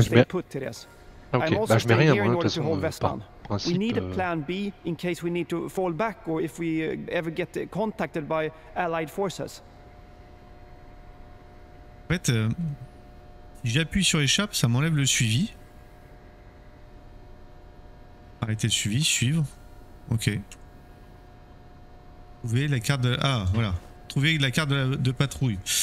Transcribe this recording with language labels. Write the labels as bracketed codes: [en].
[fr] Je mets rien moi, de toute façon, par principe. [en] We need a plan B in case we need to fall back or if we ever get contacted by allied forces. [fr] En fait, j'appuie sur échappe, ça m'enlève le suivi. Arrêter le suivi, suivre. Ok. Trouver la carte de... Ah, voilà. Trouver la carte de, la... de patrouille.